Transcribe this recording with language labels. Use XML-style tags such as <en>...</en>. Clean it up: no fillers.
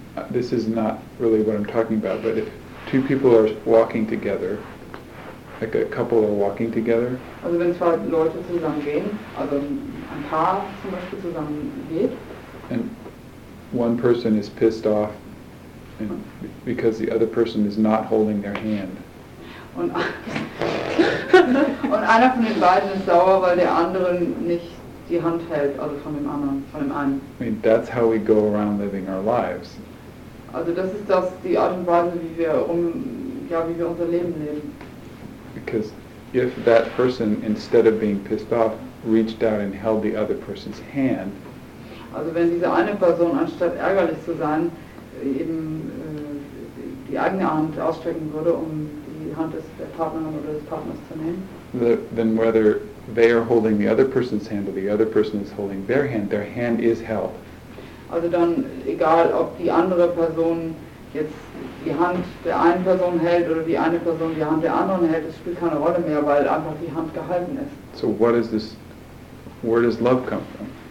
<en>This is not really what I'm talking about, but if two people are walking together, like a couple are walking together.</en> <de>Also wenn zwei Leute zusammen gehen, also ein Paar zum Beispiel zusammen geht.</de> <en>And one person is pissed off and because the other person is not holding their hand.</en> <de>Und einer von den beiden ist sauer, weil der andere nicht die Hand hält, also von dem anderen, von dem einen.</de> <en>I mean, that's how we go around living our lives.</en> <de>Also das ist das, die Art und Weise, wie wir unser Leben leben.</de> <en>Because if that person, instead of being pissed off, reached out and held the other person's hand.</en> <de>Also wenn diese eine Person, anstatt ärgerlich zu sein, eben die eigene Hand ausstrecken würde, um die Hand der Partnerin oder des Partners zu nehmen.</de> <en>Then whether they are holding the other person's hand or the other person is holding their hand is held.</en> <de>Also dann, egal ob die andere Person jetzt die Hand der einen Person hält oder die eine Person die Hand der anderen hält, es spielt keine Rolle mehr, weil einfach die Hand gehalten ist.</de> <en>So what is this, where does love come from?</en>